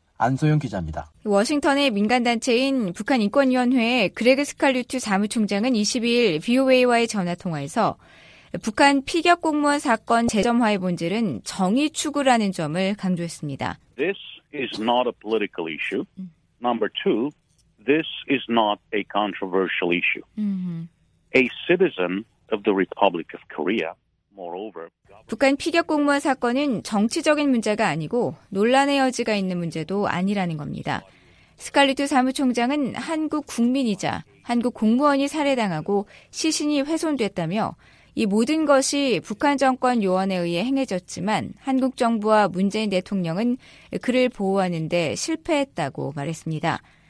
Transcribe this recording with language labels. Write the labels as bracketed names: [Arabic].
[Korean] 안소영 기자입니다. 워싱턴의 민간단체인 북한인권위원회의 그레그 스칼루트 사무총장은 22일 VOA와의 전화통화에서 북한 피격 공무원 사건 재점화의 본질은 정의 추구라는 점을 강조했습니다. [English] This is not a political issue. Number two, this is not a controversial issue. A citizen of the Republic of Korea. [Korean] 북한 피격 공무원 사건은 정치적인 문제가 아니고 논란의 여지가 있는 문제도 아니라는 겁니다. 스칼리트 사무총장은 한국 국민이자 한국 공무원이 살해당하고 시신이 훼손됐다며 이 모든 것이 북한 정권 요원에 의해 행해졌지만 한국 정부와 문재인 대통령은 그를 보호하는 데 실패했다고 말했습니다.